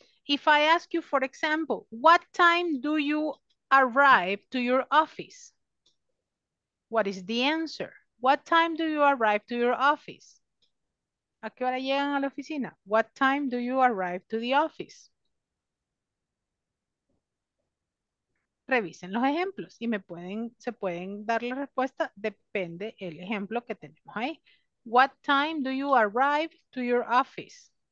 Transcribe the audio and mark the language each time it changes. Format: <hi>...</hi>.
<en>If I ask you, for example, what time do you arrive to your office? What is the answer? What time do you arrive to your office?</en> <es>¿A qué hora llegan a la oficina?</es> <en>What time do you arrive to the office?</en> <es>Revisen los ejemplos y se pueden dar la respuesta, depende el ejemplo que tenemos ahí.</es> <en>What time do you arrive to your office?</en>